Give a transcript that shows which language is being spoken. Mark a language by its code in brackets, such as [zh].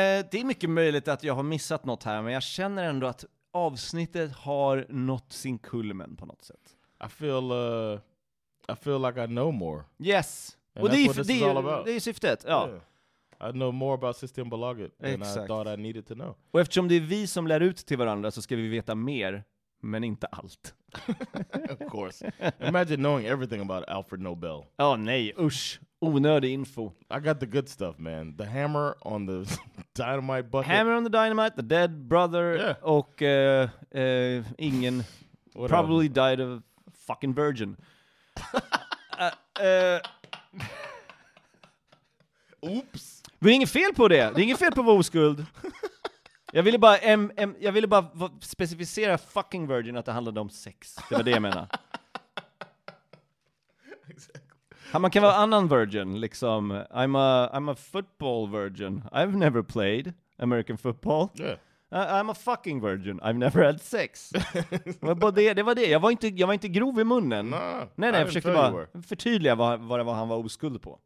[sv] Det är mycket möjligt att jag har missat något här. Men jag känner ändå att avsnittet har nått sin kulmen på något sätt. [en] I feel like I know more. Yes. And well, that's what this is all about. [sv] Det är syftet, ja. Yeah. [en] I know more about Systembolaget than I thought I needed to know. [sv] Och eftersom det är vi som lär ut till varandra så ska vi veta mer, men inte allt. [en] Of course. Imagine knowing everything about Alfred Nobel. [sv] Oh, nej, usch. Onödig info. [en] I got the good stuff, man. The hammer on the dynamite bucket. Hammer on the dynamite, the dead brother, yeah. [sv] Och ingen probably died of fucking virgin. [en] Oops. [sv] Det är inget fel på det. Det är inget fel på vår oskuld. Jag ville bara specificera fucking virgin att det handlade om sex. Det var det jag menar. Exactly. Man kan vara annan virgin liksom. [en] I'm a football virgin. I've never played American football. Yeah. I'm a fucking virgin. I've never had sex. [sv] det var det. Jag var inte grov i munnen. [en] Nah, [sv] nej, jag försökte bara förtydliga vad han var oskuld på.